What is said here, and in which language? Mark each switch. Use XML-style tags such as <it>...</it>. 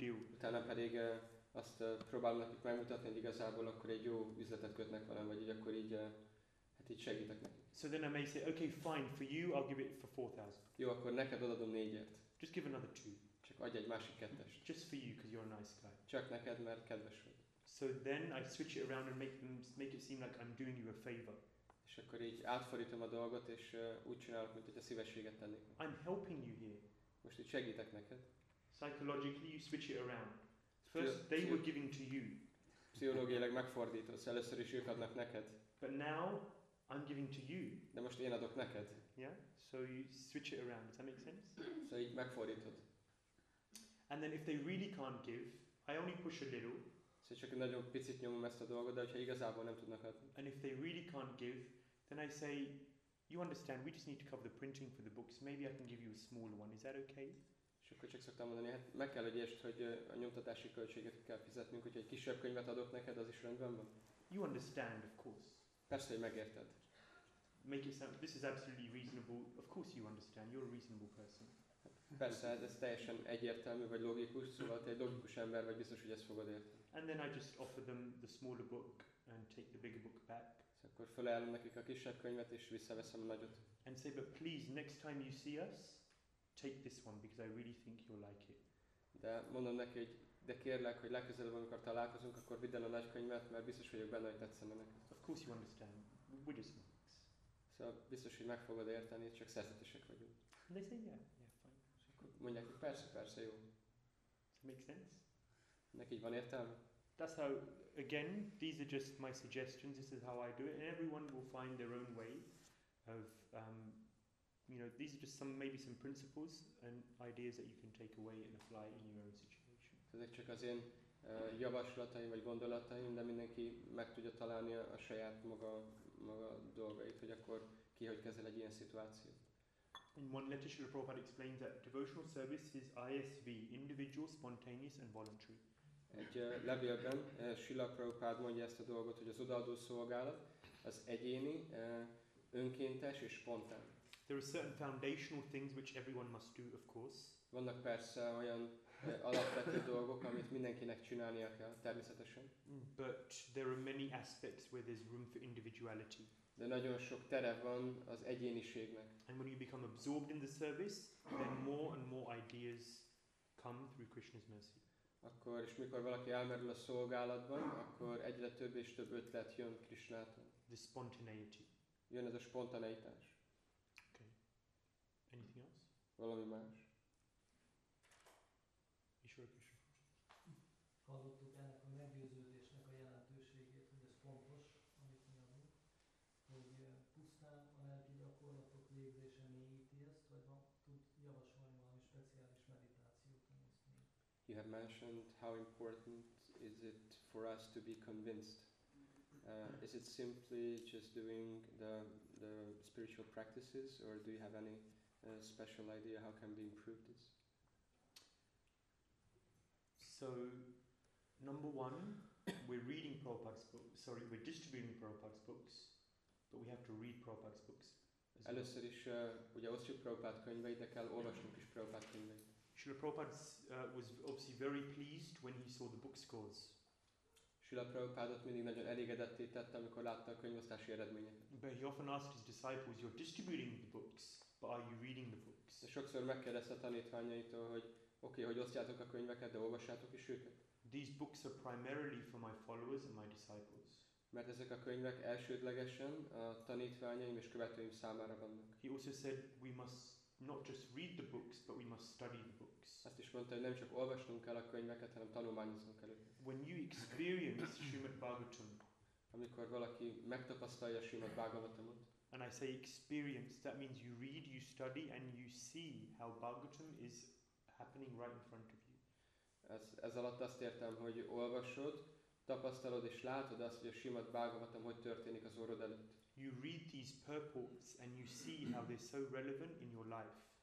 <hu>Utána pedig azt próbálom nekik megmutatni, hogy igazából akkor egy jó üzletet kötnek velem, vagy így akkor így, hát így segítek nekik.</hu> <en>So then I may say, okay, fine, for you, I'll give it for 4,000.</en> <hu>Jó, akkor neked odaadom 4-et.</hu> <en>Just give another 2.</en> <hu>Csak adj egy másik 2-est.</hu> <en>Just for you, because you're a nice guy.</en> <hu>Csak neked, mert kedves vagy.</hu> <en>So then I switch it around and make it seem like I'm doing you a favor.</en> <hu>És akkor így átfordítom a dolgot, és úgy csinálok, mint hogyha szívességet tennék.</hu> <en>I'm helping you here.</en> <hu>Most így segítek neked.</hu> <en>Psychologically, you switch it around. First, they were giving to you.</en> <hu>Pszichológiailag megfordítasz, először is ők adnak neked.</hu> <en>But now, I'm giving to you.</en> <hu>De most én adok neked.</hu> <en>Yeah? So you switch it around. Does that make sense?</en> <hu>So így megfordítod.</hu> <en>And then if they really can't give, I only push a little.</en> <hu>Se csak nagyon picit nyomom ezt a dolgot, de hogyha igazából nem tudnak adni.</hu> <en>And if they really can't give, then I say, you understand, we just need to cover the printing for the books. Maybe I can give you a small one. Is that okay?</en> <hu>És akkor csak szoktam mondani, hát meg kell egyest, hogy a nyomtatási költséget kell fizetnünk, hogyha egy kisebb könyvet adok neked, az is rendben van?</hu> <en>You understand, of course.</en> <hu>Persze, hogy megérted.</hu> <en>Make it sound, this is absolutely reasonable. Of course you understand, you're a reasonable person.</en> <hu>Persze, ez teljesen egyértelmű vagy logikus, szóval te egy logikus ember vagy, biztos, hogy ezt fogod érteni.</hu> <en>And then I just offer them the smaller book and take the bigger book back.</en> <hu>És akkor felajánlom nekik a kisebb könyvet és visszaveszem a nagyot.</hu> <en>And say, but please, next time you see us, take this one because I really think you'll like it.</en> <hu>De mondom neki, hogy de kérlek, hogy legközelebb, amikor találkozunk, akkor vidd el a nagy könyvet, mert biztos vagyok benne, hogy tetszene neked.</hu> <en>Of course you understand. We're just monks.</en> <hu>Szóval biztos, hogy meg fogod érteni, csak szerzetesek vagyunk.</hu> <en>And they say, yeah, yeah, fine.</en> <hu>És akkor mondják, hogy persze, persze, jó.</hu> <en>Does it make sense?</en> <hu>Neki így van értelme?</hu> <en>That's how, again, these are just my suggestions, this is how I do it, and everyone will find their own way of, you know, these are just some, maybe some principles and ideas that you can take away and apply in your own situation.</en> <hu>Ezek csak az én javaslataim vagy gondolataim, de mindenki meg tudja találni a saját maga dolgait, hogy akkor ki hogy kezel egy ilyen szituációt.</hu> <en>In one letter, Srila Prabhupada explains that devotional service is ISV, individual, spontaneous and voluntary.</en> <hu>Egy levélben Srila Prabhupada mondja ezt a dolgot, hogy az odaadó szolgálat az egyéni, önkéntes és spontán.</hu> <en>There are certain foundational things which everyone must do, of course.</en> <hu>Vannak persze olyan alapvető dolgok, amit mindenkinek csinálnia kell, természetesen.</hu> <en>But there are many aspects where there's room for individuality.</en> <hu>De nagyon sok tere van az egyéniségnek.</hu> <en>And when you become absorbed in the service, then more and more ideas come through Krishna's mercy.</en> <hu>Akkor és mikor valaki elmerül a szolgálatban, akkor egyre több és több ötlet jön Krishnától.</hu> <en>The spontaneity.</en> <hu>Jön ez a spontaneitás.</hu> <en>Anything else?</en> <hu>Valami más. Isurkis. Hallottuk ennek a meggyőződésnek a jelentőségét, hogy ez fontos, amit mi adunk, hogy pusztán a lelki gyakorlatok végzése mélyíti ezt, vagy tud javasolni valami speciális meditációt.</hu> <en>You have mentioned how important is it for us to be convinced. Is it simply just doing the spiritual practices, or do you have any special idea how can we improve this? So, number one, we're reading Prabhupada's books. Sorry, we're distributing Prabhupada's books, but we have to read Prabhupada's books.</en> <hu>Először is ugye osztjuk Prabhupada könyveit, de kell olvasnunk is Prabhupada könyveit.</hu> <en>Srila Prabhupada was obviously very pleased when he saw the book scores.</en> <hu>Srila Prabhupádot mindig nagyon elégedetté tette, amikor látta a könyvosztási eredményeket.</hu> <en>But he often asked his disciples, "You're distributing the books." But are you reading the books?</en> <hu>De sokszor megkérdezte tanítványaitól, hogy oké, hogy osztjátok a könyveket, de olvassátok is őket.</hu> <en>These books are primarily for my followers and my disciples.</en> <hu>Mert ezek a könyvek elsődlegesen a tanítványaim és követőim számára vannak.</hu> <en>He also said we must not just read the books, but we must study the books.</en> <hu>Azt is mondta, hogy nem csak olvasnunk kell a könyveket, hanem tanulmányozunk kell őket.</hu> <en>When you experience Srimad Bhagavatam,</en> <hu>amikor valaki megtapasztalja Srimad Bhagavatamot,</hu> <en>and I say experience, that means you read, you study, and you see how Bhagavatam is happening right in front of you.</en> <hu>Ez alatt azt értem, hogy olvasod, tapasztalod és látod azt, hogy a Srimad Bhagavatam hogy történik az orrod előtt.</hu> <en>You read these purports and you see how they're so relevant in your life.</en>